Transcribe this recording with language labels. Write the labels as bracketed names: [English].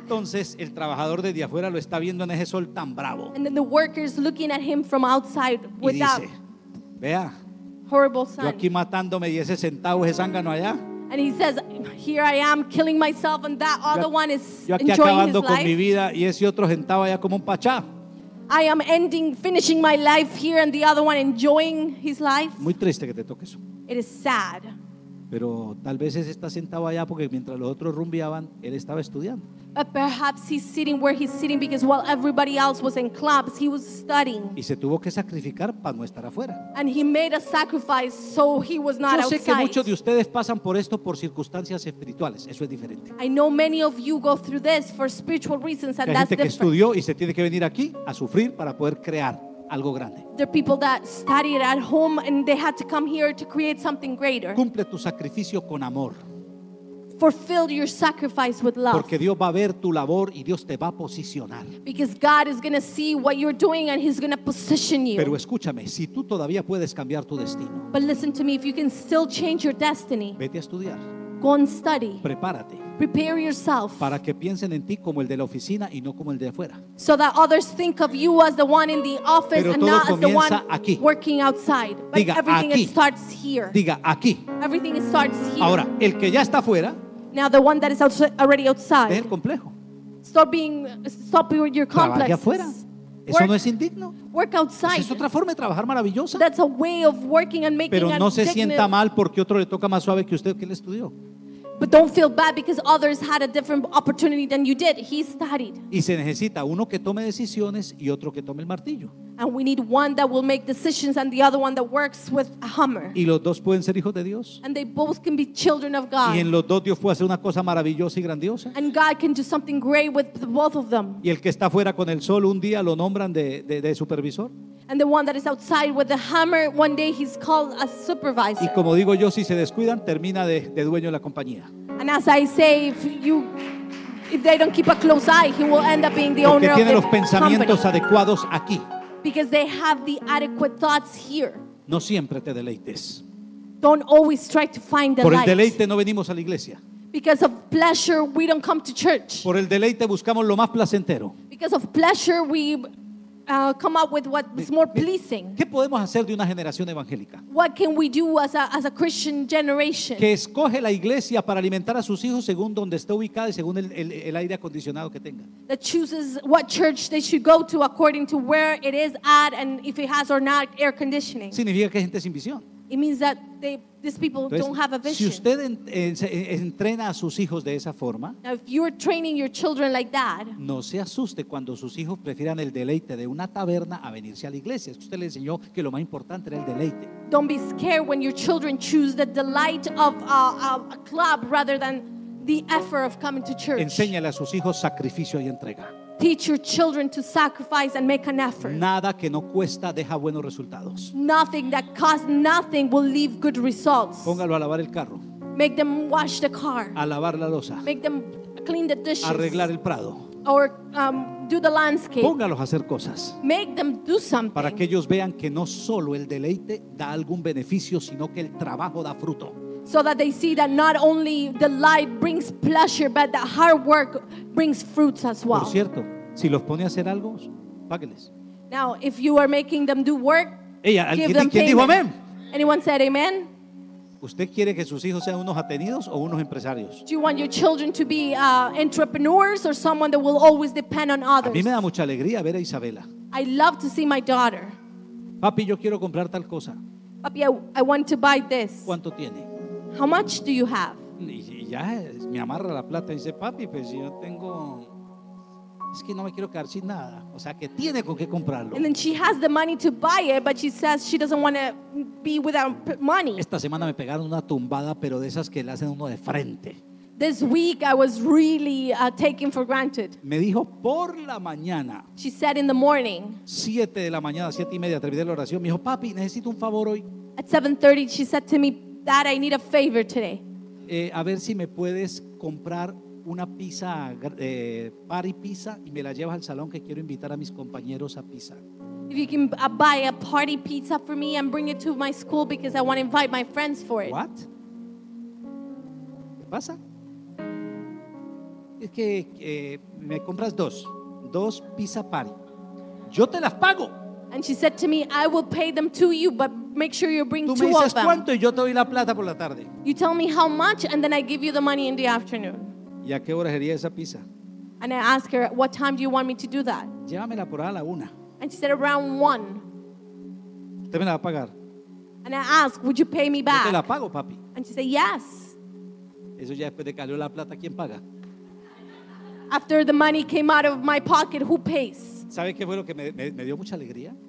[Spanish] Entonces el trabajador desde afuera lo está viendo en ese sol tan bravo. [English] And then the worker is looking at him from outside with [Spanish] dice, [English] that [Spanish] Vea. Horrible son. Yo aquí matándome y ese centavo, ese zángano allá. [English] And he says, here I am killing myself and that other [Spanish] yo, [English] one is [Spanish] yo aquí [English] enjoying [Spanish] acabando [English] his [Spanish] con [English] life. [Spanish] Mi vida y ese otro centavo allá como un pachá. [English] I am ending, finishing my life here and the other one enjoying his life. [Spanish] Muy triste que te toque eso. [English] It is sad. [Spanish] Pero tal vez ese está sentado allá porque mientras los otros rumbeaban, él estaba estudiando. [English] But perhaps he's sitting where he's sitting because while everybody else was in clubs, he was studying. [Spanish] Y se tuvo que sacrificar para no estar afuera. [English] And he made a sacrifice so he was not outside. [Spanish] Yo sé que muchos de ustedes pasan por esto por circunstancias espirituales. Eso es diferente. [English] I know many of you go through this for spiritual reasons, and that's [Spanish] Gente que estudió y se tiene que venir aquí a sufrir para poder crear algo grande. [English] There are people that studied at home and they had to come here to create something greater. [Spanish] Cumple tu sacrificio con amor. [English] Fulfill your sacrifice with love. [Spanish] Porque Dios va a ver tu labor y Dios te va a posicionar. [English] Because God is going to see what you're doing and he's going to position you. [Spanish] Pero escúchame, si tú todavía puedes cambiar tu destino. [English] But listen to me, if you can still change your destiny. [Spanish] Vete a estudiar. [English] Go and study. [Spanish] Prepárate. [English] Prepare yourself. [Spanish] Para que piensen en ti como el de la oficina y no como el de afuera. [English] So that others think of you as the one in the office and not as the one [Spanish] aquí. [English] Working outside. But [Spanish] diga, [English] everything [Spanish] aquí. [English] It starts here. [Spanish] Diga aquí. [English] Everything starts here. [Spanish] Ahora, el que ya está afuera. [English] Now the one that is already outside. [Spanish] Es el complejo. [English] Stop your complex. [Spanish] Trabaje afuera. Eso [English] work, [Spanish] no es indigno. [English] Work outside. [Spanish] Es otra forma de trabajar maravillosa. [English] That's a way of working and making. [Spanish] Pero no se [English] dignity. [Spanish] Sienta mal porque otro le toca más suave que usted que le estudió. [English] But don't feel bad because others had a different opportunity than you did. He studied. [Spanish] Y se necesita uno que tome decisiones y otro que tome el martillo. [English] And we need one that will make decisions and the other one that works with a hammer. [Spanish] Y los dos pueden ser hijos de Dios. [English] And they both can be children of God. [Spanish] Y en los dos Dios puede hacer una cosa maravillosa y grandiosa. [English] And God can do something great with both of them. [Spanish] Y el que está fuera con el sol un día lo nombran de supervisor. [English] And the one that is outside with the hammer, one day he's called a supervisor. [Spanish] Y como digo yo, si se descuidan, termina de dueño de la compañía. [English] And as I say, if they don't keep a close eye, he will end up being the [Spanish] Porque [English] owner of the company. [Spanish] Porque tiene los pensamientos adecuados aquí. [English] Because they have the adequate thoughts here. [Spanish] No siempre te deleites. [English] Don't always try to find delight. [Spanish] Por el deleite no venimos a la iglesia. [English] Because of pleasure, we don't come to church. [Spanish] Por el deleite buscamos lo más placentero. [English] Because of pleasure, we come up with what is more pleasing. [Spanish] ¿Qué podemos hacer de una generación evangélica? [English] What can we do as a Christian generation? [Spanish] Que escoge la iglesia para alimentar a sus hijos según donde esté ubicada y según el aire acondicionado que tenga. [English] That chooses what church they should go to according to where it is at and if it has or not air conditioning. [Spanish] Significa que hay gente sin visión. [English] It means that these people [Spanish] Entonces, [English] don't have a vision. [Spanish] Si usted entrena a sus hijos de esa forma, [English] now, if you're training your children like that, [Spanish] no se asuste cuando sus hijos prefieran el deleite de una taberna a venirse a la iglesia. Es que usted le enseñó que lo más importante era el deleite. [English] Don't be scared when your children choose the delight of a club rather than the effort of coming to church. [Spanish] Enséñale a sus hijos sacrificio y entrega. [English] Teach your children to sacrifice and make an effort. [Spanish] Nada que no cuesta deja buenos resultados. [English] Nothing that costs nothing will leave good results. [Spanish] Póngalo a lavar el carro. [English] Make them wash the car. [Spanish] A lavar la losa. [English] Make them clean the dishes. [Spanish] Arreglar el prado. [English] Or do the landscape. [Spanish] Póngalos a hacer cosas. [English] Make them do something. [Spanish] Para que ellos vean que no solo el deleite da algún beneficio, sino que el trabajo da fruto. [English] So that they see that not only the light brings pleasure, but that hard work brings fruits as well. [Spanish] Por cierto, si los pone a hacer algo, págueles. [English] Now, if you are making them do work, hey, give them [Spanish] ¿quién dijo amén? [English] Anyone said amen? [Spanish] ¿Usted quiere que sus hijos sean unos atenidos o unos empresarios? [English] Do you want your children to be entrepreneurs or someone that will always depend on others? [Spanish] A mí me da mucha alegría ver a Isabela. [English] I love to see my daughter. [Spanish] Papi, yo quiero comprar tal cosa. [English] Papi, I want to buy this. [Spanish] ¿Cuánto tiene? [English] How much do you have? [Spanish] Y ya me amarra la plata y dice, papi, pues yo tengo, es que no me quiero quedar sin nada. O sea, que tiene con qué comprarlo. [English] And then she has the money to buy it, but she says she doesn't want to be without money. [Spanish] Esta semana me pegaron una tumbada, pero de esas que le hacen uno de frente. [English] This week I was really taken for granted. [Spanish] Me dijo por la mañana. [English] She said in the morning. [Spanish] 7:00 a.m, 7:30, terminé la oración. Me dijo, papi, necesito un favor hoy. [English] At 7:30 she said to me, Dad, I need a favor today. [Spanish] A ver si me puedes comprar una pizza, party pizza, y me la llevas al salón que quiero invitar a mis compañeros a pizza. [English] If you can buy a party pizza for me and bring it to my school because I want to invite my friends for it. What? [Spanish] ¿Qué pasa? Es que me compras dos pizza party. Yo te las pago. [English] And she said to me, I will pay them to you, but make sure you bring two [Spanish] dices, [English] of them. [Spanish] ¿Cuánto? Y yo te doy la plata por la tarde. [English] You tell me how much, and then I give you the money in the afternoon. [Spanish] ¿Y a qué hora sería esa pizza? [English] And I asked her, what time do you want me to do that? [Spanish] Llévamela por ahí a la una. [English] And she said, around one. [Spanish] ¿Usted me la va a pagar? [English] And I asked, would you pay me back? [Spanish] Yo te la pago, papi. [English] And she said, yes. [Spanish] Eso ya después de que salió la plata, ¿quién paga? [English] After the money came out of my pocket, who pays? [Spanish] ¿Sabes qué fue lo que me dio mucha alegría?